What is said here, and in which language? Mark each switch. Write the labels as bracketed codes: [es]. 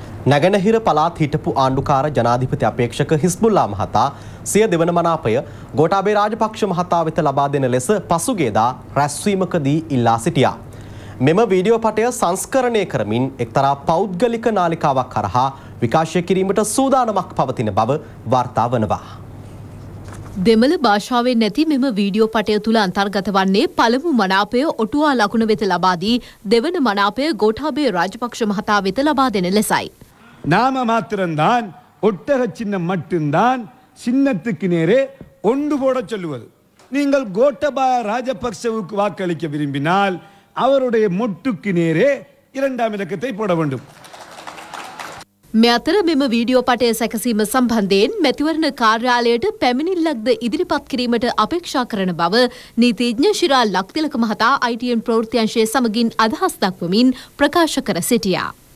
[si] නගනහිර පළාත් හිටපු ආණ්ඩුකාර ජනාධිපති අපේක්ෂක හිස්බුල්ලා මහතා සිය දෙවන මනාපය ගෝඨාභය රාජපක්ෂ මහතා වෙත ලබා දෙන ලෙස පසුගියදා රැස්වීමකදී ඉල්ලා සිටියා මෙම වීඩියෝ පටය සංස්කරණය කරමින් එක්තරා පෞද්ගලික නාලිකාවක් කරහා විකාශය කිරීමට සූදානමක් පවතින බව වාර්තා වෙනවා දෙමළ භාෂාවෙන් නැති මෙම වීඩියෝ පටය තුල අන්තර්ගත වන්නේ පළමු මනාපය ඔටුවා ලකුණ වෙත ලබා දී දෙවන මනාපය ගෝඨාභය රාජපක්ෂ මහතා වෙත ලබා දෙන ලෙසයි නාම මාත්‍රෙන් [ta] தான் ஒட்டர சின்ன மட்டும் தான் சின்னத்துக்கு நேரே ஒண்டு போட சொல்லுவது நீங்கள் கோட்டபாய ராஜபக்சவுக்கு வாக்களிக்க விரும்பினால் அவருடைய முட்டுக்கு நேரே இரண்டாம் இலக்கத்தை போட வேண்டும் [si] මෙතර මෙම වීඩියෝ පටය සැකසීම සම්බන්ධයෙන් මැතිවරණ කාර්යාලයට පැමිණිල්ලක්ද ඉදිරිපත් කිරීමට අපේක්ෂා කරන බව නීතිඥ ශිරා ලක්තිලක මහතා ITN ප්‍රවෘත්ති අංශයේ සමගින් අදහස් දක්වමින් ප්‍රකාශ කර සිටියා.